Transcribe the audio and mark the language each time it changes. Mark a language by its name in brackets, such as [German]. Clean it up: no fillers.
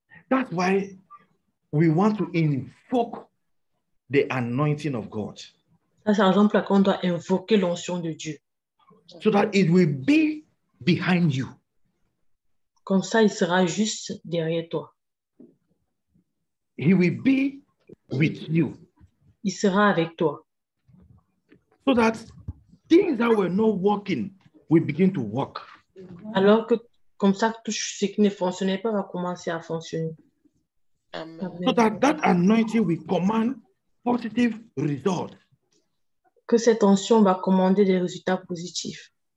[English] That's why we want to invoke the anointing of God. [French] Ça, c'est un exemple qu'on doit invoquer l'onction de Dieu. [English] So that it will be behind you. [French] Comme ça, il sera juste derrière toi. [English] He will be with you. [French] Il sera avec toi. [English] So that things that were not working will begin to work. [French] Alors que comme ça, tout ce qui ne fonctionnait pas va commencer à fonctionner. [English] Amen. So that anointing will command positive results. [French] Que cette onction va commander des résultats positifs.